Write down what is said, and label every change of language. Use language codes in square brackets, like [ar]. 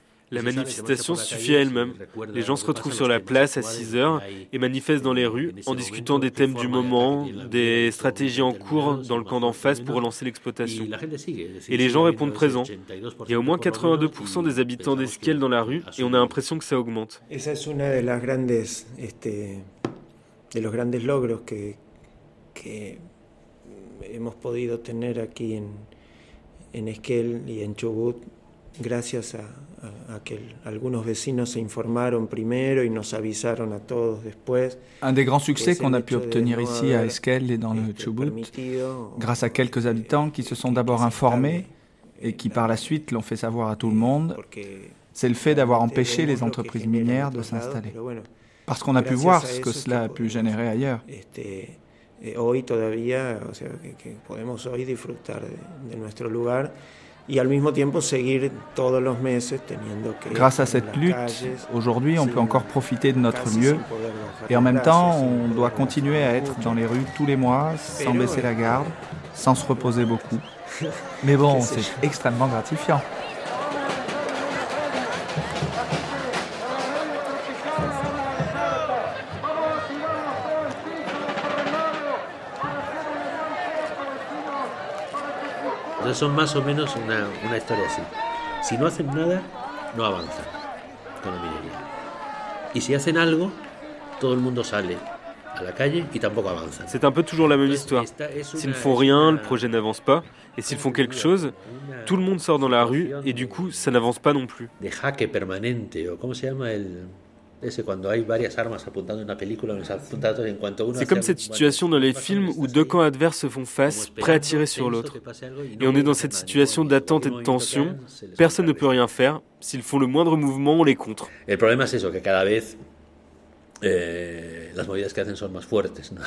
[fr] La manifestation suffit à elle-même. Les gens se retrouvent sur la place à 6 heures et manifestent dans les rues en discutant des thèmes du moment, des stratégies en cours dans le camp d'en face pour relancer l'exploitation. Et les gens répondent présents. Il y a au moins 82% des habitants d'Esquel dans la rue et on a l'impression que ça augmente. [es] Esa es una de las grandes, de los grandes logros que hemos podido tener aquí en Esquel y en Chubut. Gracias a que algunos vecinos se informaron primero y nos avisaron a todos después. [fr] Un des grands succès qu'on a pu obtenir ici à Esquel et dans le Chubut, grâce à quelques habitants qui se sont d'abord informés et qui par la suite l'ont fait savoir à tout le monde, c'est le fait d'avoir empêché les entreprises minières de s'installer. Parce qu'on a pu voir ce que cela a pu générer ailleurs. [es] Hoy todavía, o sea, que podemos hoy disfrutar de nuestro lugar. Y al mismo tiempo seguir todos los meses teniendo que [fr] grâce à cette lutte, aujourd'hui, on peut encore profiter de notre lieu. Et en même temps, on doit continuer à être dans les rues tous les mois, sans baisser la garde, sans se reposer beaucoup. Mais bon, c'est extrêmement gratifiant. [es] Son más o menos una historia así. Si no hacen nada, no avanzan con la minería. Y si hacen algo, todo el mundo sale a la calle y tampoco avanzan. [fr] C'est un peu toujours la même histoire. S'ils ne font rien, le projet n'avance pas. Et s'ils font quelque chose, tout le monde sort dans la rue et du coup, ça n'avance pas non plus. [es] De jaque permanente, o cómo se llama el... [fr] C'est comme cette situation dans les films où deux camps adverses se font face, prêts à tirer sur l'autre. Et on est dans cette situation d'attente et de tension. Personne ne peut rien faire. S'ils font le moindre mouvement, on les contre. Le problème, c'est que [es] cada vez, [fr] les [es] movidas que hacen [fr] sont plus fortes.